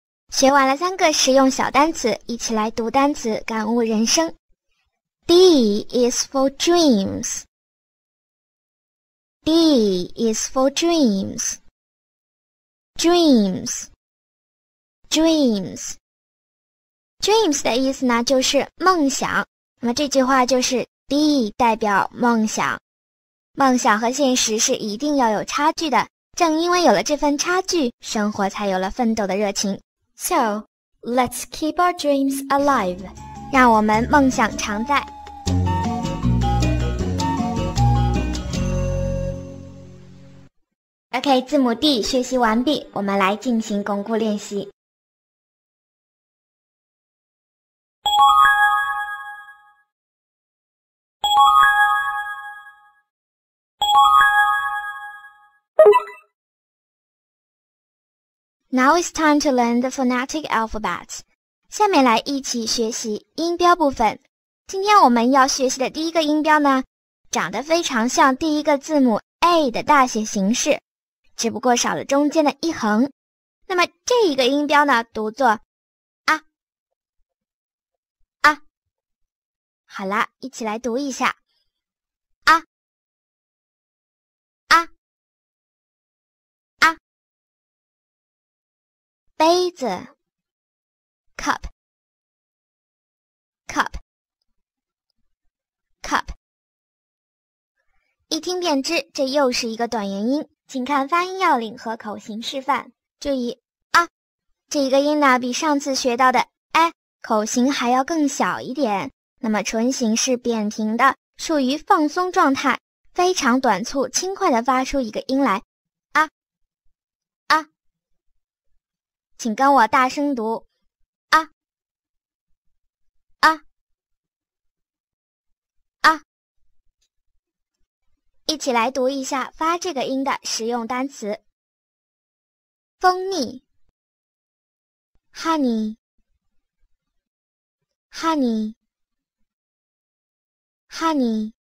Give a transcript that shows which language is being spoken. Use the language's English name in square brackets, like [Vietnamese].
[Chinese] 学完了三个实用小单词，一起来读单词感悟人生。 [English] D is for dreamsD is for dreams. Dreams. Dreams. [Chinese] Dreams 的意思呢，就是梦想。那么这句话就是 D 代表梦想。梦想和现实是一定要有差距的，正因为有了这份差距，生活才有了奋斗的热情。 [English] So, let's keep our dreams alive. [Chinese] 让我们梦想常在。 OK, 字母 D 学习完毕，我们来进行巩固练习。 [English] Now it's time to learn the phonetic alphabet. [Chinese] 下面来一起学习音标部分。今天我们要学习的第一个音标呢，长得非常像第一个字母 A 的大写形式，只不过少了中间的一横。那么这一个音标呢，读作啊啊。好啦，一起来读一下啊啊啊。 [English] 杯子 cup cup cup。 [Chinese] 一听便知这又是一个短元音，请看发音要领和口型示范。注意啊，这一个音呢比上次学到的哎口型还要更小一点，那么唇形是扁平的，属于放松状态，非常短促轻快地发出一个音来啊啊。请跟我大声读啊啊啊。一起来读一下发这个音的实用单词。 [English] 蜂蜜 Honey Honey Honey。